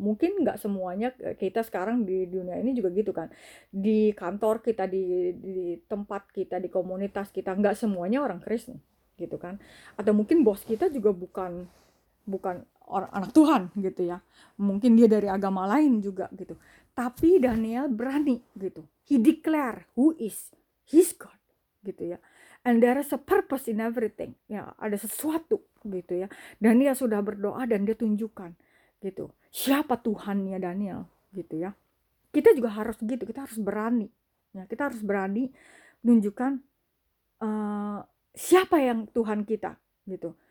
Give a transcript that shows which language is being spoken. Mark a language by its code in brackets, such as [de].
[id] Mungkin nggak semuanya kita sekarang di dunia ini juga gitu kan. Di kantor kita, di tempat kita, di komunitas kita, nggak semuanya orang Kristen, gitu kan. Atau mungkin bos kita juga bukan orang anak Tuhan gitu ya. Mungkin dia dari agama lain juga gitu. Tapi Daniel berani gitu. [en] He declare who is his God gitu ya. And there is a purpose in everything. Ya, [id] ada sesuatu gitu ya. Daniel sudah berdoa dan dia tunjukkan gitu. Siapa Tuhannya Daniel gitu ya. Kita juga harus gitu, kita harus berani. Ya, kita harus berani tunjukkan siapa yang Tuhan kita gitu.